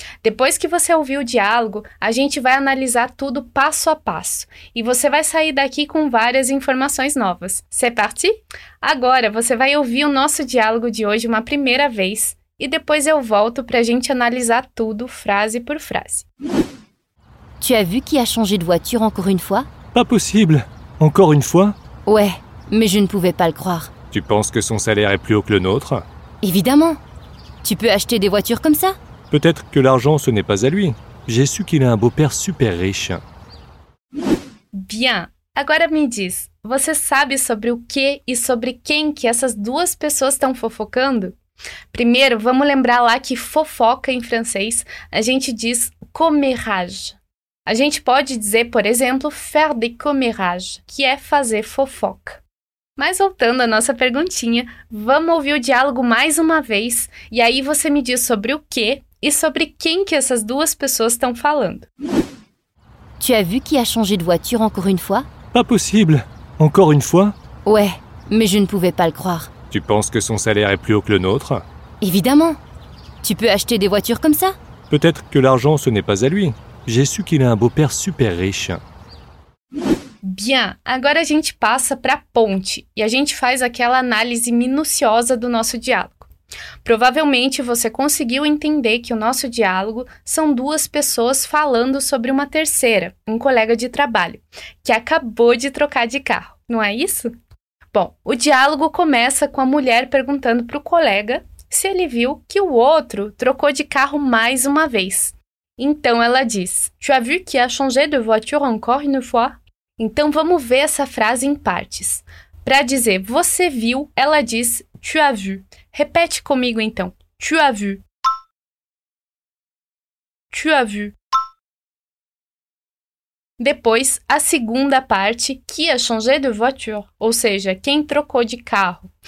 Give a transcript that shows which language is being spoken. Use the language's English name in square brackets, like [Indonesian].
[Portuguese] Depois que você ouvir o diálogo, a gente vai analisar tudo passo a passo e você vai sair daqui com várias informações novas. C'est parti? Agora você vai ouvir o nosso diálogo de hoje uma primeira vez e depois eu volto para a gente analisar tudo frase por frase. [French] Tu as vu qui a changé de voiture encore une fois? Pas possible. Encore une fois? Ouais, mais je ne pouvais pas le croire. Tu penses que son salaire est plus haut que le nôtre? Évidemment. Tu peux acheter des voitures comme ça? Peut-être que l'argent, ce n'est pas à lui. J'ai su qu'il a un beau-père super riche. Bien. [Portuguese] Agora me diz, você sabe sobre o que e sobre quem que essas duas pessoas estão fofocando? Primeiro, vamos lembrar lá que fofoca em francês, a gente diz commérage. A gente pode dizer, por exemplo, faire des commérages, que é fazer fofoca. Mas voltando à nossa perguntinha, vamos ouvir o diálogo mais uma vez e aí você me diz sobre o que e sobre quem que essas duas pessoas estão falando. [French] Tu as vu qui a changé de voiture encore une fois? Pas possible. Encore une fois? Ouais, mais je ne pouvais pas le croire. Tu penses que son salaire est plus haut que le nôtre? Évidemment. Tu peux acheter des voitures comme ça? Peut-être que l'argent, ce n'est pas à lui. J'ai su qu'il a un beau-père super riche. [Portuguese] Bien, agora a gente passa para a ponte e a gente faz aquela análise minuciosa do nosso diálogo. Provavelmente você conseguiu entender que o nosso diálogo são duas pessoas falando sobre uma terceira, um colega de trabalho, que acabou de trocar de carro, não é isso? Bom, o diálogo começa com a mulher perguntando para o colega se ele viu que o outro trocou de carro mais uma vez. Então ela diz, tu as vu qui a changé de voiture encore une fois? Então vamos ver essa frase em partes. Para dizer você viu, ela diz tu as vu. Repete comigo, então. Tu as vu. [French] Tu as vu. [Portuguese] Depois, a segunda parte, qui a changé de voiture, ou seja, quem trocou de carro.